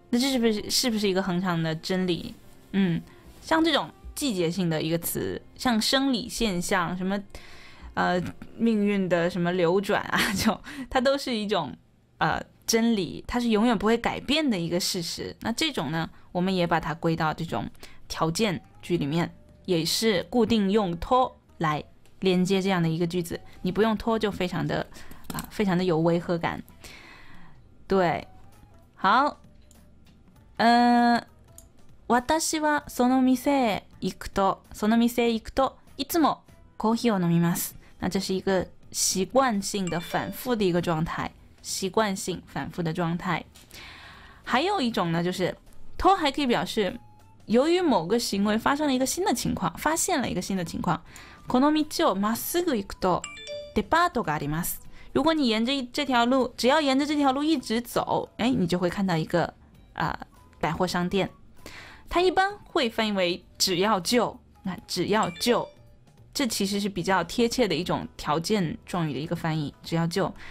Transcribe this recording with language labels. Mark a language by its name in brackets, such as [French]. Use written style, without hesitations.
[Chinese] 那这是不是一个恒常的真理？像这种季节性的一个词，像生理现象什么命运的什么流转啊，就它都是一种真理，它是永远不会改变的一个事实。那这种呢，我们也把它归到这种条件句里面，也是固定用 to 来连接这样的一个句子。你不用 to 就非常的非常的有违和感。对，好， [Japanese] 私はその店へ行くと、その店へ行くといつもコーヒーを飲みます。 [Chinese] 那这是一个习惯性的反复的一个状态。习惯性反复的状态。还有一种呢，就是 to 还可以表示由于某个行为发生了一个新的情况，发现了一个新的情况。 [Japanese] この道をまっすぐ行くとデパートがあります。 [Chinese] 如果你沿着这条路，只要沿着这条路一直走，哎，你就会看到一个百货商店。它一般会翻译为只要就，那只要就，这其实是比较贴切的一种条件状语的一个翻译，只要就。